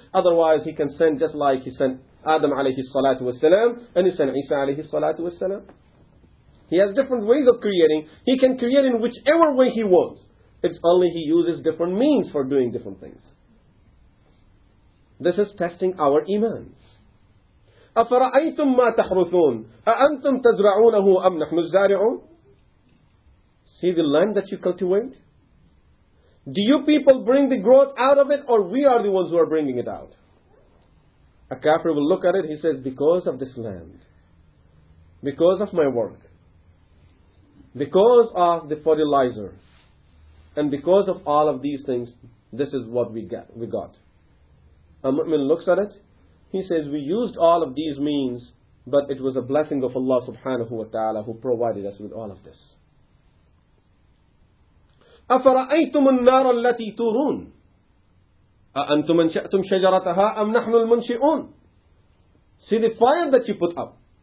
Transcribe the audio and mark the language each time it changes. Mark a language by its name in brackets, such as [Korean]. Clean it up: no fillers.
[English] Otherwise, he can send just like he sent Adam alayhi salatu wasalam and he sent Isa alayhi salatu wasalam. He has different ways of creating. He can create in whichever way he wants. It's only he uses different means for doing different things. This is testing our imans. [Arabic] أَفَرَأَيْتُمْ مَا تَحْرُثُونَ أَأَنْتُمْ تَزْرَعُونَهُ أَمْ نَحْنُ الزَّارِعُونَ [English] See the land that you cultivate? Do you people bring the growth out of it, or we are the ones who are bringing it out? A kafir will look at it, he says, because of this land, because of my work, because of the fertilizer, and because of all of these things, this is what we got. A mu'min looks at it, he says, we used all of these means, but it was a blessing of Allah subhanahu wa ta'ala who provided us with all of this. [Arabic] أَفَرَأَيْتُمُ النَّارَ الَّتِي تُورُونَ أَأَنْتُمْ أَنْشَأْتُمْ شَجَرَتَهَا أَمْ نَحْنُ الْمُنْشِئُونَ [English] See the fire that you put up.